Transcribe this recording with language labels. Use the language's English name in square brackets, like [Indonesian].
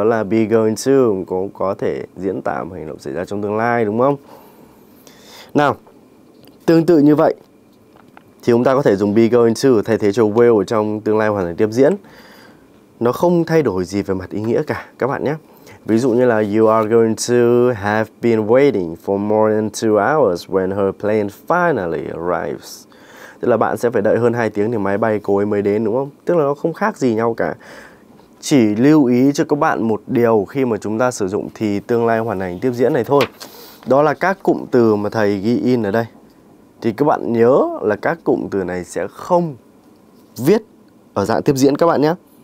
[Vietnamese] Đó là be going to cũng có thể diễn tả hành động xảy ra trong tương lai đúng không? Nào, tương tự như vậy thì chúng ta có thể dùng be going to thay thế cho will trong tương lai hoàn thành tiếp diễn. Nó không thay đổi gì về mặt ý nghĩa cả các bạn nhé. [English] Ví dụ như là you are going to have been waiting for more than 2 hours when her plane finally arrives. [Vietnamese] Tức là bạn sẽ phải đợi hơn 2 tiếng thì máy bay cô ấy mới đến đúng không? Tức là nó không khác gì nhau cả. Chỉ lưu ý cho các bạn một điều khi mà chúng ta sử dụng thì tương lai hoàn thành tiếp diễn này thôi. Đó là các cụm từ mà thầy ghi in ở đây. Thì các bạn nhớ là các cụm từ này sẽ không viết ở dạng tiếp diễn các bạn nhé.